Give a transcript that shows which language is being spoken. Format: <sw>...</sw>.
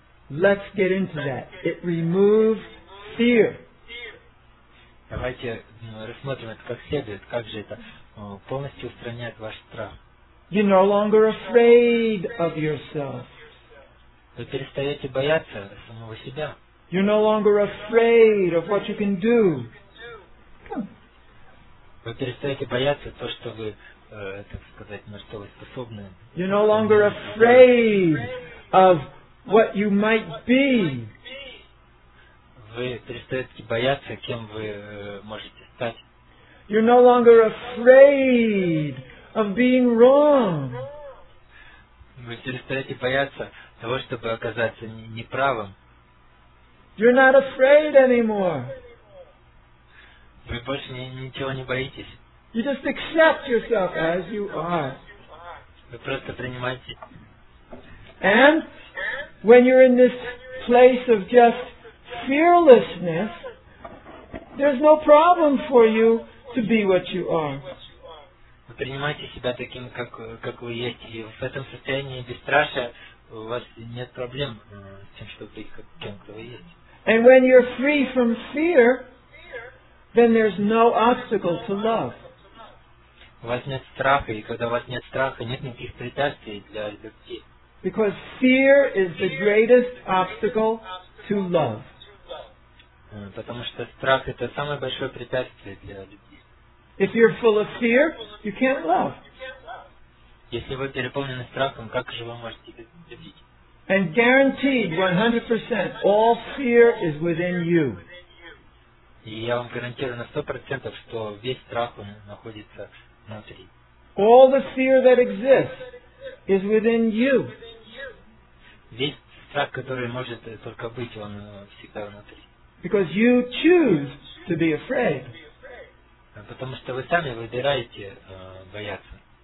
<en>Let's get into that. It removes fear.</en> <ru>Давайте рассмотрим это как следует. Как же это полностью устраняет ваш страх?</ru> <en>You're no longer afraid of yourself.</en> <ru>Вы перестаете бояться самого себя.</ru> <en>You're no longer afraid of what you can do.</en> <ru>Вы перестаете бояться то, что вы, так сказать, на что вы способны.</ru> <en>You're no longer afraid of what you might be.</en> <ru>Вы перестаете бояться, кем вы можете стать.</ru> <en>You're no longer afraid of being wrong.</en> <ru>Вы перестаете бояться того, чтобы оказаться неправым.</ru> <en>You're not afraid anymore.</en> <ru>Вы больше ничего не боитесь.</ru> <en>You just accept yourself as you are.</en> <ru>Вы просто принимаете.</ru> <en>And when you're in this place of just fearlessness, there's no problem for you to be what you are.</en> <ru>Вы принимаете себя таким, как вы есть. И в этом состоянии бесстрашия у вас нет проблем с тем, чтобы быть тем, кто вы есть.</ru> <en>And when you're free from fear, then there's no obstacle to love.</en> <ru>У вас нет страха, и когда у вас нет страха, нет никаких препятствий для любви.</ru> <en>Because fear is the greatest obstacle to love.</en> <ru>Потому что страх – это самое большое препятствие для любви.</ru> <en>If you're full of fear, you can't love.</en> <ru>Если вы переполнены страхом, как же вы можете любить?</ru> <en>And guaranteed, 100%, all fear is within you.</en> <ru>И я вам гарантирую на 100%, что весь страх находится внутри.</ru> <en>All the fear that exists is within you.</en> <ru>Весь страх, который может только быть, он всегда внутри.</ru> <en>Because you choose to be afraid.</en> <ru>Потому что вы сами выбираете бояться.</ru>